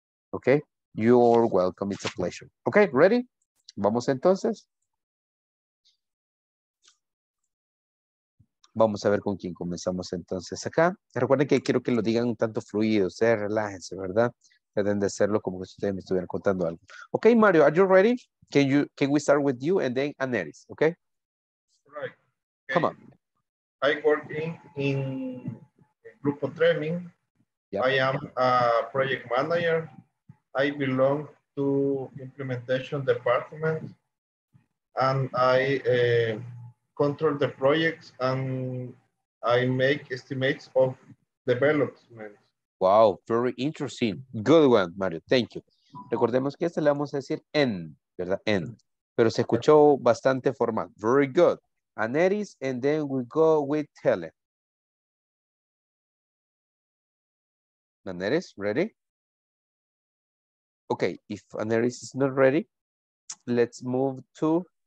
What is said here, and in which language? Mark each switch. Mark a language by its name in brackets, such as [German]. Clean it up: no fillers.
[English] Ok. You're welcome. It's a pleasure. Ok. Ready? Vamos entonces. [Spanish] Vamos a ver con quién comenzamos entonces acá. Recuerden que quiero que lo digan un tanto fluido. O sea, relájense, ¿verdad? Traten de hacerlo como si ustedes me estuvieran contando algo. [English] Ok, Mario, are you ready? Can we start with you and then Aneris, ok? Right. Okay. Come on. I work in Grupo Treming. Yep. I am a project manager. I belong to implementation department. And I control the projects and I make estimates of development. Wow, very interesting. Good one, Mario. Thank you. [Spanish] Recordemos que este le vamos a decir en, ¿verdad? En. Pero se escuchó bastante formal. Very good. [English] Aneris, and then we go with Helen. Aneris, ready? Okay, if Aneris is not ready, let's move to...